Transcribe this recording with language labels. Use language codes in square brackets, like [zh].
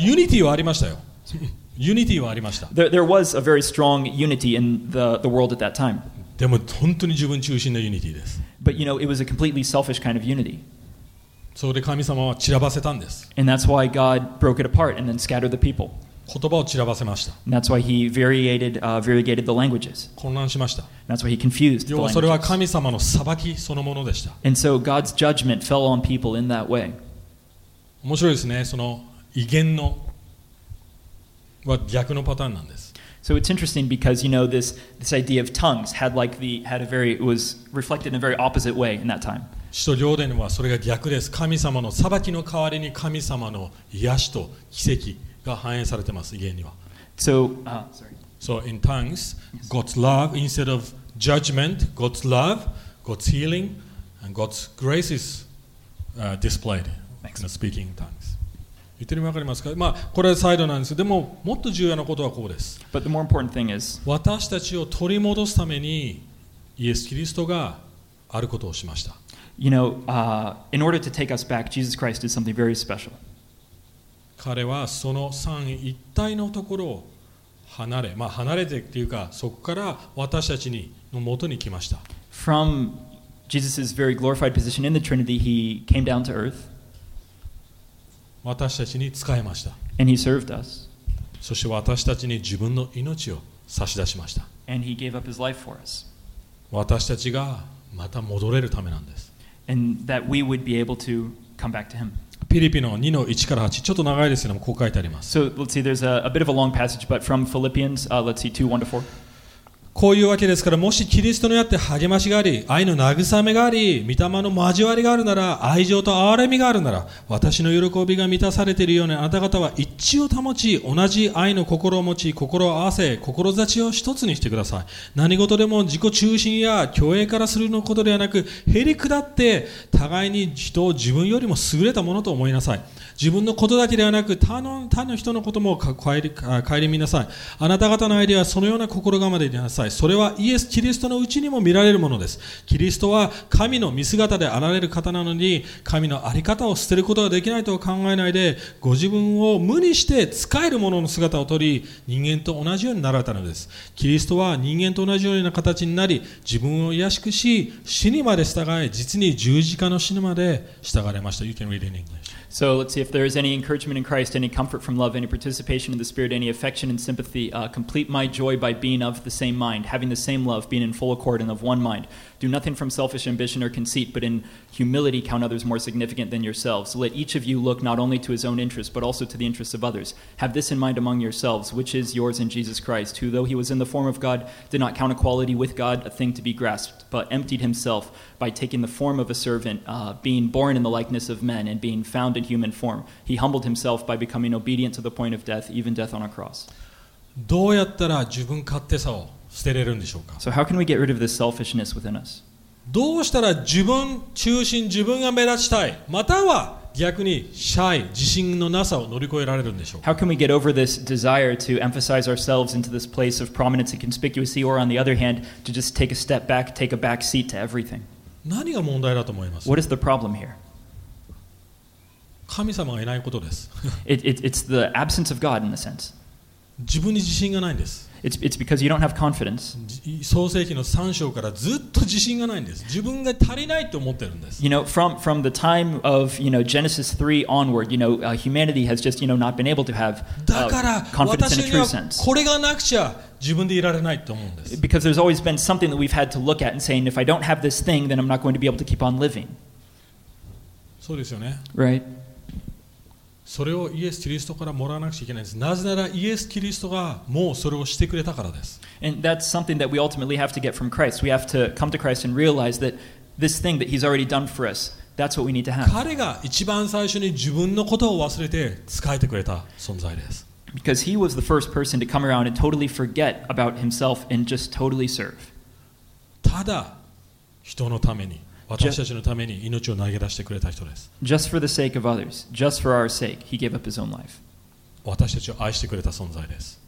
[ja] Unity はありましたよ。Unity はありました。 [en] There was a very strong unity in the world at that time. [ja] でも本当に自分中心の unity です。 [en] But you know, it was a completely selfish kind of unity. [ja] そこで神様は散らばせたんです。 [en] And that's why God broke it apart and then scattered the people. [ja] 言葉を散らばせました。 [en] And that's why he variegated the languages. [ja] 混乱しました。 [en] And that's why he confused the languages. [ja] 要はそれは神様の裁きそのものでした。 [en] And so God's judgment fell on people in that way. [ja] 面白いですね。その異言のは逆のパターンなんです。 [en] So it's interesting because you know this idea of tongues was reflected in a very opposite way in that time. [ja] 使徒行伝はそれが逆です。神様の裁きの代わりに神様の癒しと奇跡が反映されてます。異言には。 [en] So in tongues, God's love instead of judgment, God's love, God's healing, and God's grace is displayed in speaking tongues. [ja] 言ってるのわかりますか？まあこれはサイドなんですけど、でももっと重要なことはこうです。 [en] But the more important thing is, [ja] 私たちを取り戻すためにイエス・キリストがあることをしました。 [en] You know, in order to take us back, Jesus Christ did something very special. [ja] 彼はその三一体のところを離れ、まあ離れてっていうか、そこから私たちにの元に来ました。 [en] From Jesus's very glorified position in the Trinity, he came down to earth. [ja] 私たちに使えました。 [en] And he served us. [ja] そして私たちに自分の命を差し出しました。 [en] And he gave up his life for us. [ja] 私たちがまた戻れるためなんです。 [en] And that we would be able to come back to him. [ja] ピリピの2の1から8、ちょっと長いですけども、こう書いてあります。 [en] So let's see, there's a bit of a long passage, but from Philippians, let's see, 2, 1 to 4. [ja] こういうわけですから、もしキリストのやって励ましがあり、愛の慰めがあり、御霊の交わりがあるなら、愛情と憐れみがあるなら、私の喜びが満たされているようにあなた方は一致を保ち、同じ愛の心を持ち、心を合わせ、志を一つにしてください。何事でも自己中心や虚栄からするのことではなく、へり下って互いに人を自分よりも優れたものと思いなさい。自分のことだけではなく他の人のことも顧みなさい。あなた方の愛ではそのような心構えでいなさい。それはイエス・キリストのうちにも見られるものです。キリストは神の見姿であられる方なのに、神のあり方を捨てることができないと考えないで、ご自分を無にして使えるものの姿を取り、人間と同じようになられたのです。キリストは人間と同じような形になり、自分を卑しくし、死にまで従え、実に十字架の死にまで従われました。 [en] You can read it in English. So let's see if there is any encouragement in Christ, any comfort from love, any participation in the Spirit, any affection and sympathy. Complete my joy by being of the same mind, having the same love, being in full accord and of one mind. Do nothing from selfish ambition or conceit, but in humility count others more significant than yourselves. Let each of you look not only to his own interests, but also to the interests of others. Have this in mind among yourselves, which is yours in Jesus Christ, who, though he was in the form of God, did not count equality with God a thing to be grasped, but emptied himself by taking the form of a servant, being born in the likeness of men and being found in human form. He humbled himself by becoming obedient to the point of death, even death on a cross. [ja] どうやったら自分勝手さを捨てれるんでしょうか? [en] So how can we get rid of this selfishness within us? [ja] どうしたら自分中心、自分が目立ちたい、または逆にシャイ、自信のなさを乗り越えられるんでしょうか? [en] How can we get over this desire to emphasize ourselves into this place of prominence and conspicuity, or on the other hand, to just take a step back, take a back seat to everything? [ja] 何が問題だと思います? [en] What is the problem here? [ja] 神様がいないことです。 [en] It's the absence of God in a sense. [ja] 自分に自信がないんです。 [en] It's because you don't have confidence. [ja] 創世記の3章からずっと自信がないんです。自分が足りないと思ってるんです。 [en] You know, from the time of, you know, Genesis 3 onward, you know, humanity has just, you know, not been able to have confidence in a true sense. [ja] これがなくちゃ自分でいられないと思うんです。 [en] Because there's always been something that we've had to look at and saying, if I don't have this thing, then I'm not going to be able to keep on living. [ja] そうですよね。 [en] Right. [ja] それをイエス・キリストからもらわなくちゃいけないんです。なぜならイエス・キリストがもうそれをしてくれたからです。 [en] And that's something that we ultimately have to get from Christ. We have to come to Christ and realize that this thing that he's already done for us, that's what we need to have. [ja] 彼が一番最初に自分のことを忘れて仕えてくれた存在です。 [en] Because he was the first person to come around and totally forget about himself and just totally serve. [ja] ただ人のために。私たちのために命を投げ出してくれた人です。 [en] Just for the sake of others, just for our sake, he gave up his own life. [ja] 私たちを愛してくれた存在です。